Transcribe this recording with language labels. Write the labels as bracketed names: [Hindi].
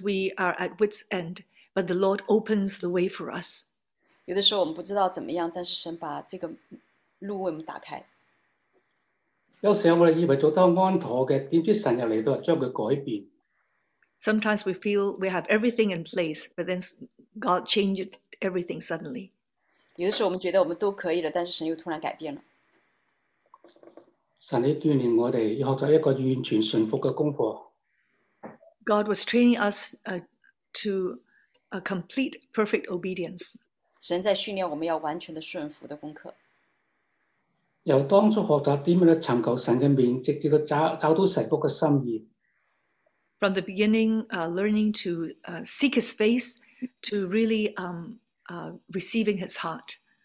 [English] we are at wit's end, but the Lord opens the way for us. [Chinese] 有的时候我们不知道怎么样，但是神把这个路为我们打开。 [English] Sometimes we feel we have everything in place, but then God changed everything suddenly. [Chinese] 有的时候我们觉得我们都可以了，但是神又突然改变了。神，你锻炼我们，要学习一个完全顺服的功课。 [English] God was training us to a complete, perfect obedience. [Chinese] 神在训练我们要完全的顺服的功课。 [English] From the beginning, learning to seek His face, to really receiving His heart.